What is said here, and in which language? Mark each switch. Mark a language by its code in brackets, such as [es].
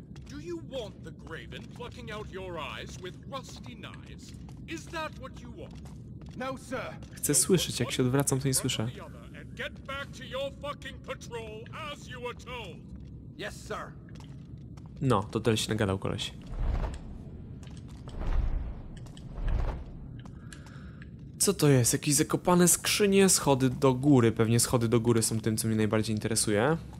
[en] Do you want the Graven plucking out your eyes with rusty knives? Is that what you want? No, sir. [pl] Chcę słyszeć, jak się odwracam, to nie słyszę. [en] Get back to your fucking patrol as you were told. Yes, sir. [pl] No, to tyle się nagadał koleś. Co to jest? Jakieś zakopane skrzynie, schody do góry. Pewnie schody do góry są tym, co mnie najbardziej interesuje.